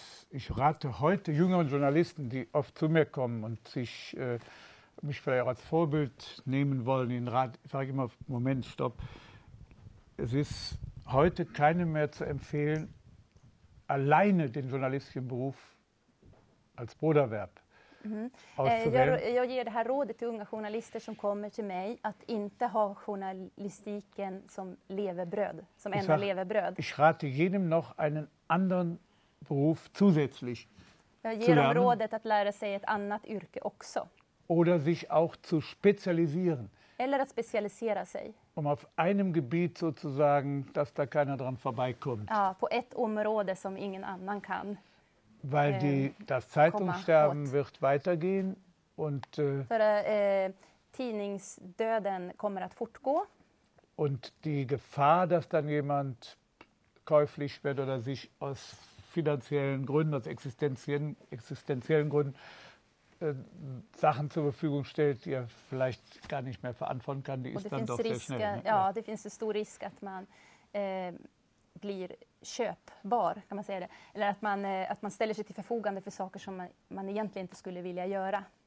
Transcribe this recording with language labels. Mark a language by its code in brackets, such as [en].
[de] ich rate heute jüngeren Journalisten, die oft zu mir kommen und sich mich vielleicht auch als Vorbild nehmen wollen, den Rat, sage ich immer, Moment, stopp. Es ist heute keinem mehr zu empfehlen, alleine den journalistischen Beruf als Broterwerb. [sv] Jag ger det här rådet till unga journalister som kommer till mig att inte ha journalistiken som levebröd, som enda levebröd. [de] Ich rate jedem noch einen anderen Beruf zusätzlich. [sv] Jag ger dem rådet att lära sig ett annat yrke också. [de] Oder sich auch zu spezialisieren. [sv] eller att specialisera sig. [de] Om auf einem Gebiet sozusagen, dass da keiner dran vorbeikommt. [sv] Ja, på ett område som ingen annan kan. [de] Weil die das Zeitungssterben wird weitergehen und [sv] för tidningsdöden kommer att fortgå. [de] Und die Gefahr, dass dann jemand käuflich wird oder sich aus finanziellen Gründen, aus existenziellen Gründen Sachen zur Verfügung stellt, die er vielleicht gar nicht mehr verantworten kann, die ist dann doch sehr schnell. [sv] Ja, det finns en stor risk att man blir köpbar, kan man säga det. Eller att man ställer sig till förfogande för saker som man egentligen inte skulle vilja göra.